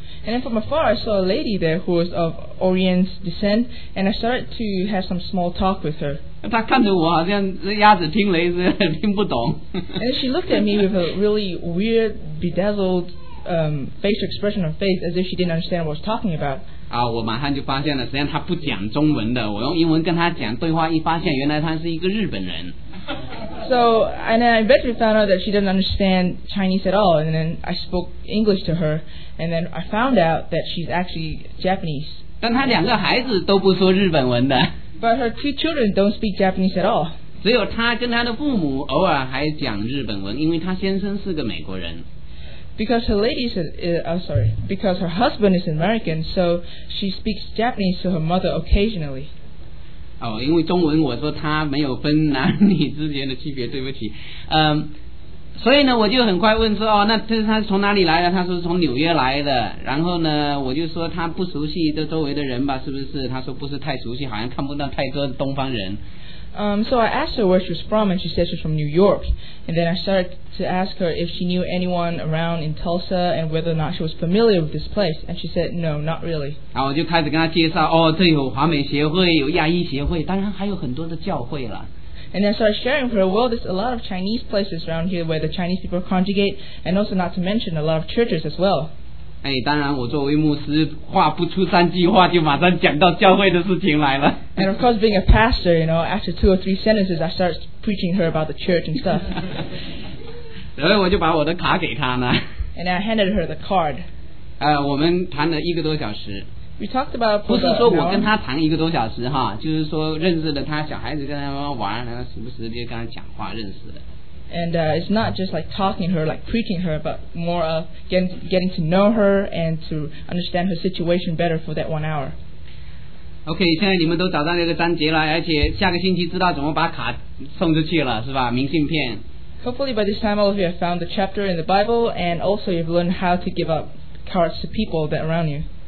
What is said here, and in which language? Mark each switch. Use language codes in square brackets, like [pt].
[en] And then from afar, I saw a lady there who was of Orient descent, and I started to have some small talk with her. [zh] 她看着我好像鸭子听雷似的，听不懂。 [en] And then she looked at me with a really weird, bedazzled, facial expression on face, as if she didn't understand what I was talking about. [zh] 我马上就发现了，实际上她不讲中文的，我用英文跟她讲对话，一发现原来她是一个日本人。 [en] So, and then I eventually found out that she didn't understand Chinese at all, and then I spoke English to her, and then I found out that she's actually Japanese. [zh] 但她两个孩子都不说日本文的。 [en] But her two children don't speak Japanese at all. [zh] 只有她跟她的父母偶尔还讲日本文，因为她先生是个美国人。 [en] Because her lady is, because her husband is American, so she speaks Japanese to her mother occasionally. [zh] 因为中文我说他没有分男女之间的区别，对不起。所以呢我就很快问说，那他是从哪里来的？他说是从纽约来的。然后呢我就说他不熟悉这周围的人吧，是不是？他说不是太熟悉，好像看不到太多的东方人。 [en] So I asked her where she was from, and she said she was from New York. And then I started to ask her if she knew anyone around in Tulsa and whether or not she was familiar with this place. And she said, no, not really. [zh] 然后我就开始跟她介绍，这有华美协会，有亚裔协会，当然还有很多的教会了。 [en] And then I started sharing with her, well, there's a lot of Chinese places around here where the Chinese people congregate, and also not to mention a lot of churches as well. [zh] 当然我作为牧师话不出三句话就马上讲到教会的事情来了。 [en] And of course being a pastor, you know, after two or three sentences, I start preaching her about the church and stuff. [zh] 然后我就把我的卡给她呢。 [en] And I handed her the card. [zh] 我们谈了一个多小时。 [en] We talked about... [zh] 不是说我跟她谈一个多小时哈，就是说认识了她，小孩子跟她玩，然后时不时就跟她讲话认识的。 [en] And it's not just like talking to her, like preaching to her, but more of getting to know her and to understand her situation better for that 1 hour. [zh] Okay, 现在你们都找到那个章节了，而且下个星期知道怎么把卡送出去了，是吧？明信片。 [en] Hopefully by this time all of you have found the chapter in the Bible and also you've learned how to give out cards to people that are around you.